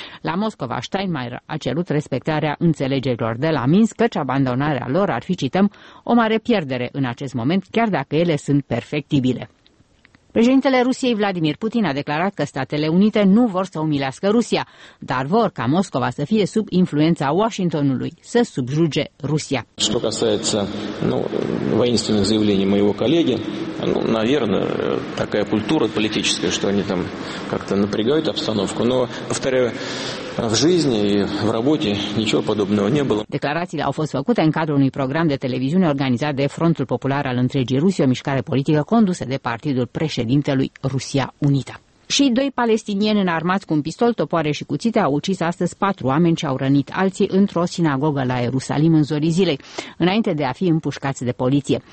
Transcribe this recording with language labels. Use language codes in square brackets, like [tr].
[ro] La Moscova, Steinmeier a cerut respectarea înțelegerilor de la Minsk, căci abandonarea lor ar fi, cităm, o mare pierdere în acest moment, chiar dacă ele sunt perfectibile. Președintele Rusiei Vladimir Putin a declarat că Statele Unite nu vor să umilească Rusia, dar vor ca Moscova să fie sub influența Washingtonului, să subjuge Rusia. [ru] Что касается, воинственных заявлений моего коллеги, наверное, такая культура политическая, что они там как-то напрягают обстановку, но повторяю, в жизни и в работе ничего подобного не было. [ro] Declarațiile au fost făcute în cadrul unui program de televiziune organizat de Frontul Popular al Întregii Rusii, o mișcare politică condusă de partidul președintelui Rusia Unită. Și doi palestinieni înarmați cu un pistol, topoare și cuțite au ucis astăzi 4 oameni și au rănit alții într-o sinagogă la Ierusalim în zorii zilei, înainte de a fi împușcați de poliție.